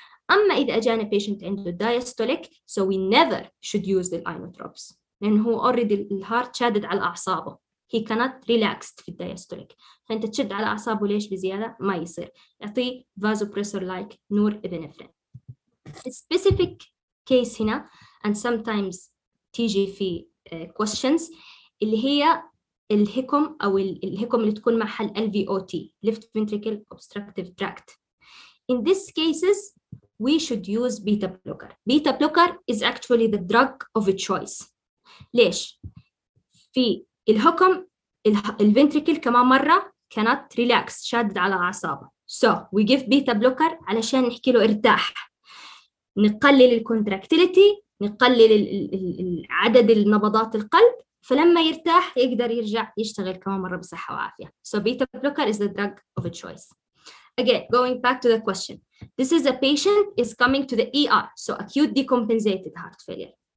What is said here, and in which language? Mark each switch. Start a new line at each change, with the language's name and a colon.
Arabic: اما اذا اجانا بيشنت عنده دايستوليك
English: so we never should use الاينوتروبس
Arabic: لأنه هو already الهارت شادد على أعصابه
English: he cannot relaxed
Arabic: في الدايستوليك فأنت تشد على أعصابه ليش بزيادة ما يصير يعطي
English: vasopressor like norepinephrine. Specific case
Arabic: هنا
English: and sometimes
Arabic: تيجي في questions اللي هي الهكم أو الهكم اللي تكون معها ال LVOT left ventricle obstructive tract.
English: In these cases we should use beta blocker. Beta blocker is actually the drug of a choice.
Arabic: ليش؟ في الهكم الventricle كمان مرة
English: cannot relax
Arabic: شادد على أعصابه
English: so we give beta blocker
Arabic: علشان نحكي له ارتاح نقلل الcontractility نقلل عدد النبضات القلب فلما يرتاح يقدر يرجع يشتغل كمان مرة بصحة وعافية
English: so beta blocker is the drug of a choice. again, going back to the question, this is a patient is coming to the ER, so acute decompensated heart failure.